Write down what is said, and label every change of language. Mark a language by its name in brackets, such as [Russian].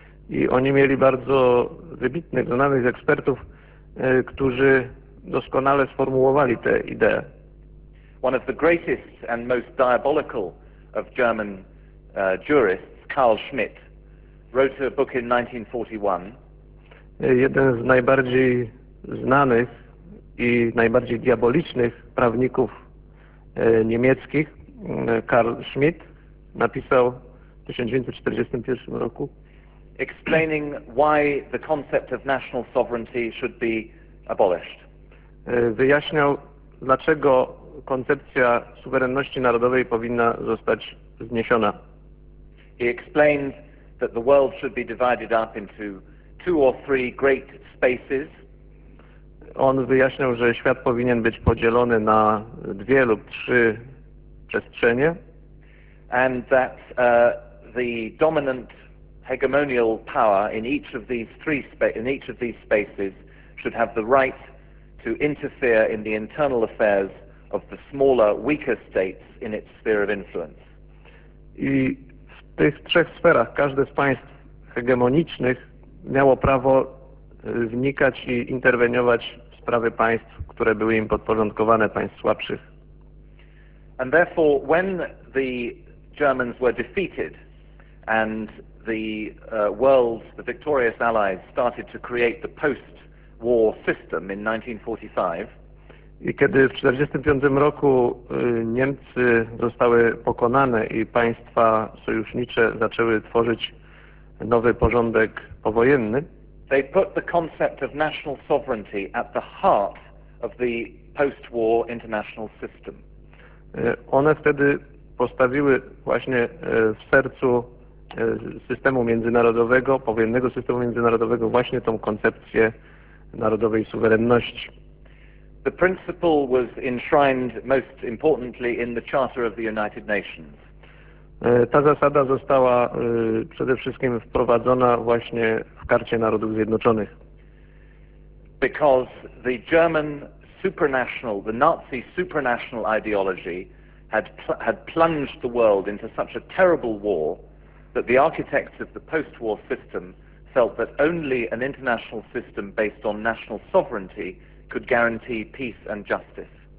[Polish] I oni mieli bardzo wybitnych, znanych ekspertów, którzy doskonale sformułowali te idee. [English] One of the greatest and most diabolical of German jurists, Carl Schmitt, wrote a book in 1941. [Polish] Jeden z najbardziej znanych i najbardziej diabolicznych prawników niemieckich, Carl Schmitt, napisał w 1941 roku. [English] Explaining why the concept of national sovereignty should be abolished. [Polish] Wyjaśniał, dlaczego koncepcja suwerenności narodowej powinna zostać zniesiona. [English] He explained that the world should be divided up into two or three great spaces. [Polish] On wyjaśniał, że świat powinien być podzielony na dwie lub trzy przestrzenie. [English] And that the dominant hegemonial power in each of these three spaces should have the right to interfere in the internal affairs of the smaller, weaker states in its sphere of influence. [Polish] I w tych trzech sferach każde z państw hegemonicznych miało prawo wnikać i interweniować w sprawy państw, które były im podporządkowane, państw słabszych. [English] And therefore, when the Germans were defeated and the world's, the victorious Allies started to create the post-war system in 1945. [Polish] I kiedy w 1945 roku Niemcy zostały pokonane i państwa sojusznicze zaczęły tworzyć nowy porządek powojenny, [English] they put the concept of national sovereignty at the heart of the post-war international system. [Polish] One wtedy postawiły właśnie w sercu systemu międzynarodowego, powojennego systemu międzynarodowego, właśnie tą koncepcję narodowej suwerenności. [English] The principle was enshrined most importantly in the Charter of the United Nations. [Polish] Ta zasada została przede wszystkim wprowadzona właśnie w Karcie Narodów Zjednoczonych. [English] Because the German supranational, the Nazi supranational ideology had plunged the world into such a terrible war that the architects of the post-war system felt that only an international system based on national sovereignty could guarantee peace and justice.